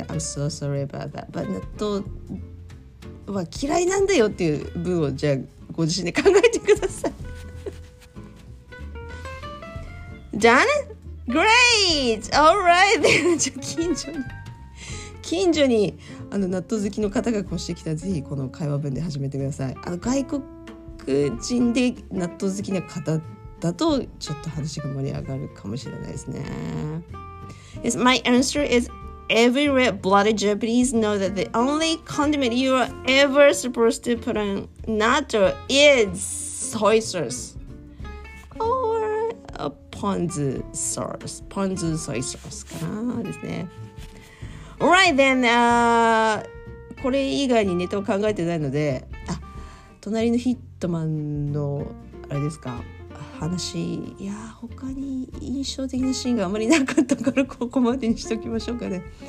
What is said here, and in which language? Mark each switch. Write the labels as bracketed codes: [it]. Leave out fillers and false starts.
[en] I'm so sorry about that、 but [ja] 納豆は嫌いなんだよっていう文をじゃあご自身で考えてください [en] Done? Great! Alright then! [ja] じゃあ近所にあの納豆好きの方が越してきたら、ぜひこの会話文で始めてください。あの外国人で納豆好きな方だとちょっと話が盛り上がるかもしれないですね。 [en] Yes, my answer is every red-blooded Japanese know that the only condiment you are ever supposed to put on natto is soy sauce or ponzu sauce. Ponzu soy sauce [ja] かなですね。 [en] Alright then、 [ja] これ以外にネタを考えてないので、隣のヒットマンのあれですか話、いや他に印象的なシーンがあまりなかったからここまでにしときましょうかね。